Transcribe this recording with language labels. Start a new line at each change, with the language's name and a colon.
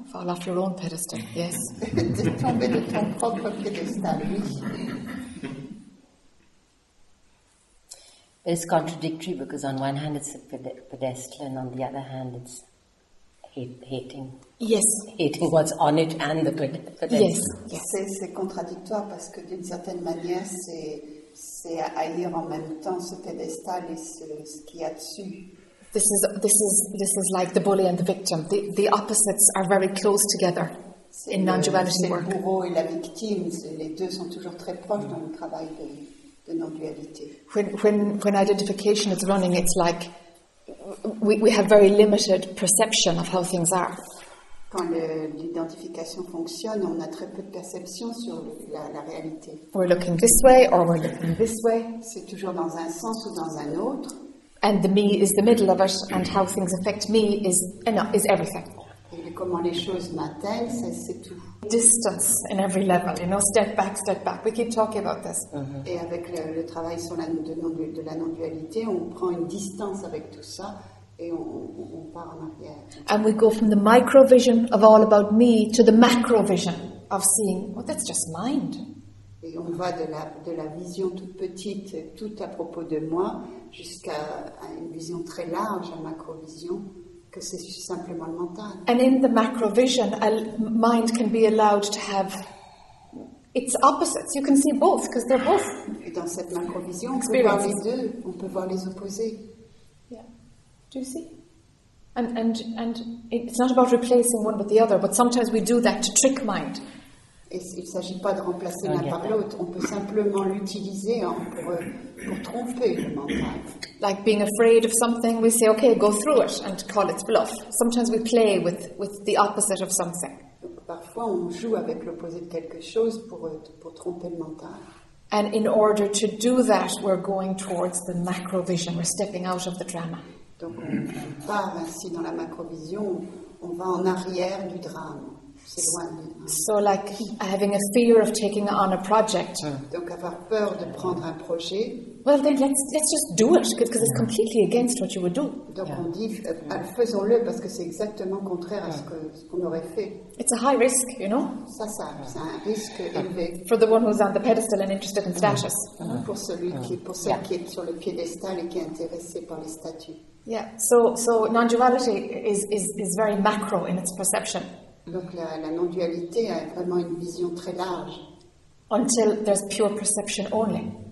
English: Fall off your own pedestal, yes.
French: Tomber de ton propre piédestal, oui.
English: But it's contradictory because on one hand it's a pedestal and on the other hand it's hating. Yes. Hating what's on it and the pedestal. Yes. Yes.
French: C'est contradictoire parce que d'une certaine manière c'est haïr en même temps ce pédestal et ce qu'il y a dessus.
English: This is like the bully and the victim. The opposites are very close together in non-duality work.
French: C'est le bourreau et la victime. Les deux sont toujours très proches dans le travail de.
English: When identification is running, it's like we have very limited perception of how things are.
French: Quand l'identification fonctionne, on a très peu de perception sur la réalité.
English: We're looking this way or we're looking this way.
French: C'est toujours dans un sens ou dans un autre.
English: And the me is the middle of it, and how things affect me is everything.
French: Et comment les choses m'atteignent, c'est tout.
English: Distance in every level, you know, step back. We keep talking about this. Mm-hmm.
French: Et avec le travail sur la non-dualité, on prend une distance avec tout ça et on part en arrière.
English: And we go from the micro vision of all about me to the macro vision of seeing, well, that's just mind.
French: Et on va de la vision toute petite, tout à propos de moi, jusqu'à une vision très large, à macro vision. Que c'est simplement le mental.
English: And in the macro vision, a mind can be allowed to have its opposites. You can see both, because they're both.
French: Et dans cette macro vision, on peut voir les deux. On peut voir les opposés.
English: Yeah. Do you see? And it's not about replacing one with the other, but sometimes we do that to trick mind.
French: Et il ne s'agit pas de remplacer l'un par l'autre. On peut simplement l'utiliser pour tromper le mental.
English: Like being afraid of something, we say, okay, go through it, and call it bluff. Sometimes we play with the opposite of something.
French: Parfois, on joue avec l'opposé de quelque chose pour tromper le mental.
English: And in order to do that, we're going towards the macro vision. We're stepping out of the drama.
French: Donc, on part ainsi dans la macro vision. On va en arrière du drame. C'est loin du drame.
English: So, like having a fear of taking on a project.
French: Donc, avoir peur de prendre un projet.
English: Well then, let's just do it because it's completely against what you would do.
French: Donc on dit, faisons-le parce que c'est exactement contraire à ce qu'on aurait fait.
English: It's a high risk, you know.
French: Ça, c'est un risque élevé.
English: For the one who's on the pedestal and interested in status. Mm-hmm.
French: Pour celle qui est sur le piédestal et qui est intéressée par les statuts.
English: Yeah. So non-duality is very macro in its perception.
French: Donc la non-dualité a vraiment une vision très large.
English: Until there's pure perception only.